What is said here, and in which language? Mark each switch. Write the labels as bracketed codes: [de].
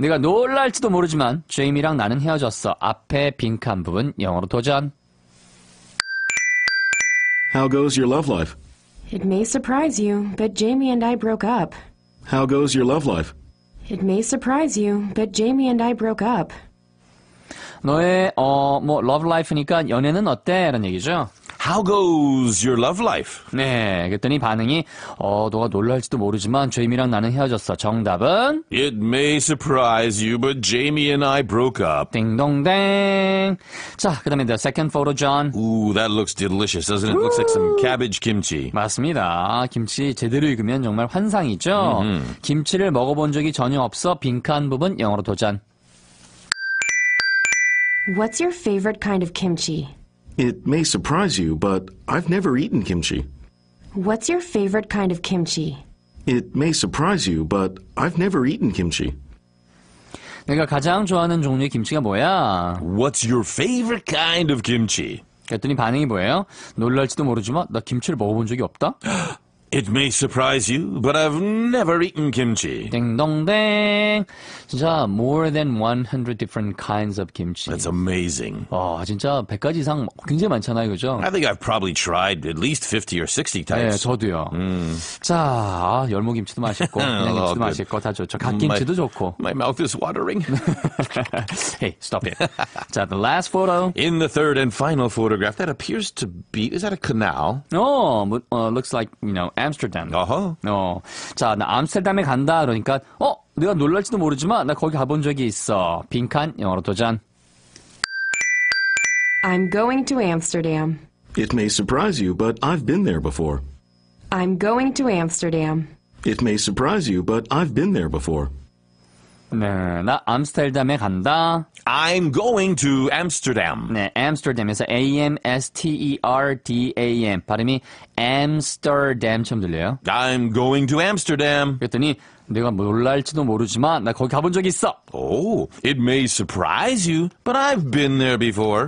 [ko] 내가 놀랄지도 모르지만, 제이미랑 나는 헤어졌어. 앞에 빈칸 부분, 영어로 도전. [en] How goes your love life? It may surprise you, but Jamie and I broke up. How goes your love life? It may surprise you, but Jamie and I broke up. [ko] 너의 love life니까 연애는 어때라는 얘기죠. [en] How goes your love life? [ko] 네, 그랬더니 반응이 너가 놀랄지도 모르지만 제이미랑 나는 헤어졌어. 정답은 [en] It may surprise you, but Jamie and I broke up. [ko] 띵동댕. 자, 그다음에 [en] the second photo, John. Ooh, that looks delicious, doesn't it? Looks like some cabbage kimchi. [ko] 맞습니다. 김치 제대로 익으면 정말 환상이죠. Mm-hmm. 김치를 먹어본 적이 전혀 없어. 빈칸 부분 영어로 도전. [en] What's your favorite kind of kimchi? It may surprise you, but I've never eaten kimchi. What's your favorite kind of kimchi? It may surprise you, but I've never eaten kimchi. [ko] 내가 가장 좋아하는 종류의 김치가 뭐야? [en] What's your favorite kind of kimchi? [ko] 그랬더니 반응이 뭐예요? 놀랄지도 모르지만 나 김치를 먹어본 적이 없다? [en] It may surprise you, but I've never eaten kimchi. [ko] 딩동댕. 진짜 [en] more than 100 different kinds of kimchi. That's amazing. [ko] 진짜 100가지 이상 굉장히 많잖아요, 그죠? [en] I think I've probably tried at least 50 or 60 types. [ko] 네, 저도요. 자, 열무김치도 맛있고, 양념치도 맛있고, 다 좋죠. 갓김치도 좋고. [en] My mouth is watering. Hey, stop it. 자, the last photo. In the third and final photograph, that appears to be, is that a canal? Looks like, you know, Amsterdam. Uh-huh. [ko] 자, 나 암스테르담에 간다. 그러니까, 내가 놀랄지도 모르지만 나 거기 가본 적이 있어. 빈칸 영어로 도전. [en] I'm going to Amsterdam. It may surprise you, but I've been there before. I'm going to Amsterdam. It may surprise you, but I've been there before. [ko] 네, 나 암스테르담에 간다. [en] I'm going to Amsterdam. [ko] 네, Amsterdam에서 A-M-S-T-E-R-D-A-M. 발음이 Amsterdam처럼 들려요. [en] I'm going to Amsterdam. [ko] 그랬더니 내가 놀랄지도 모르지만 나 거기 가본 적 있어. [en] Oh, it may surprise you, but I've been there before.